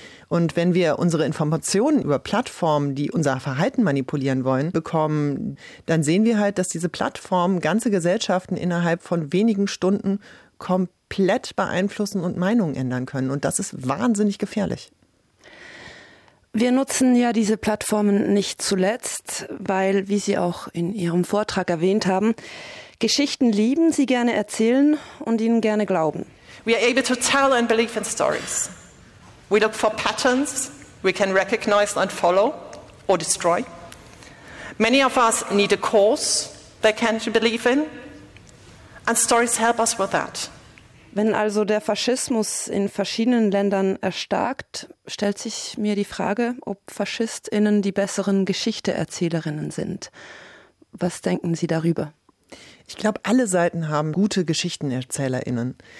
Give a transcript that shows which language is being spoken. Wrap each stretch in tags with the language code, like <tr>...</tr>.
<de>Und wenn wir unsere Informationen über Plattformen, die unser Verhalten manipulieren wollen, bekommen, dann sehen wir halt, dass diese Plattformen ganze Gesellschaften innerhalb von wenigen Stunden komplett beeinflussen und Meinungen ändern können. Und das ist wahnsinnig gefährlich. Wir nutzen ja diese Plattformen nicht zuletzt, weil, wie Sie auch in Ihrem Vortrag erwähnt haben, Geschichten lieben, sie gerne erzählen und ihnen gerne glauben.</de> <en>We are able to tell and believe in stories. We look for patterns we can recognize and follow or destroy. Many of us need a cause they can believe in, and stories help us with that.</en> <de>Wenn also der Faschismus in verschiedenen Ländern erstarkt, stellt sich mir die Frage, ob FaschistInnen die besseren Geschichteerzählerinnen sind. Was denken Sie darüber? Ich glaube, alle Seiten haben gute GeschichtenerzählerInnen.</de>